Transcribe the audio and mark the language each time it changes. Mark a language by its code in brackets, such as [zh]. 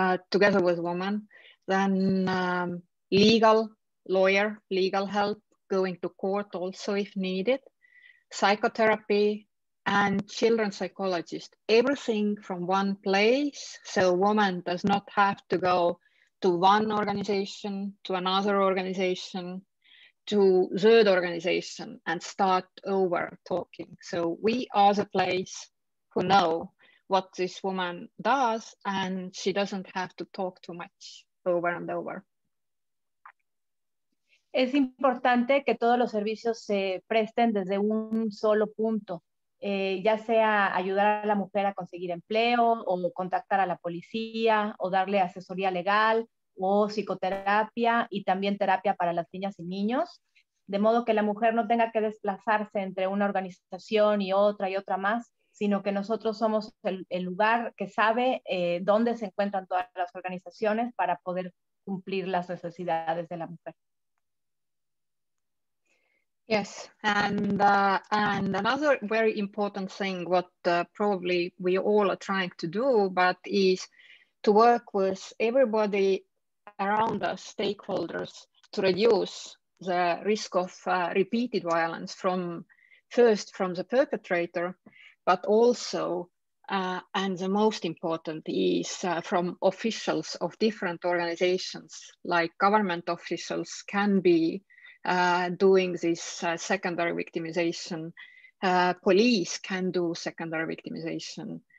[en] together with a woman, then legal help, going to court also if needed, psychotherapy, and children psychologist, everything from one place, so a woman does not have to go to one organization, to another organization, to third organization and start over talking. So we are the place who know what this woman does, and she doesn't have to talk too much over and over. [es] Es importante que todos los servicios se presten desde un solo punto. Ya sea ayudar a la mujer a conseguir empleo o contactar a la policía o darle asesoría legal o psicoterapia y también terapia para las niñas y niños, de modo que la mujer no tenga que desplazarse entre una organización y otra más, sino que nosotros somos el lugar que sabe dónde se encuentran todas las organizaciones para poder cumplir las necesidades de la mujer. [en] Yes, and another very important thing, what probably we all are trying to do, but is to work with everybody around us, stakeholders, to reduce the risk of repeated violence from first from the perpetrator, but also, and the most important is from officials of different organizations, like government officials can be doing this secondary victimization, police can do secondary victimization.